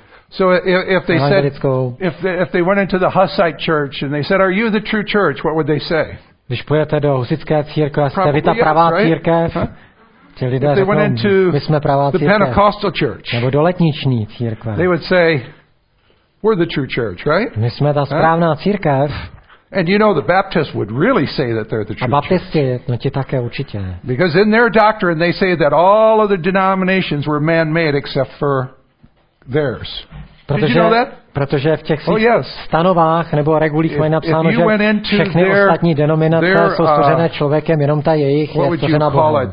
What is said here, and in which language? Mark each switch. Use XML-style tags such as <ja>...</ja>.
<en>So if they went into the Hussite church and they said, "Are you the true church?" What would they say?</en> <cs>Když pojete do husitské církve, jste vy ta pravá církev? Huh? Ti lidé řeknou, my jsme pravá církev.</cs> <en>Pentecostal church,</en> <cs>nebo do letniční církve.</cs> <en>They would say, "We're the true church, right?"</en> <cs>My jsme ta správná církev.</cs> <en>And you know the Baptists would really say that they're the true</en> <cs>church. A baptisti, no ti také určitě.</cs> <en>Because in their doctrine they say that all other denominations were man-made except for theirs.</en> <cs>Protože,</cs> <en>did you know that?</en> <cs>Protože v těch svých stanovách nebo regulích mají napsáno, že všechny ostatní denominace jsou stvořené člověkem, jenom ta jejich je stvořena Bohem.</cs>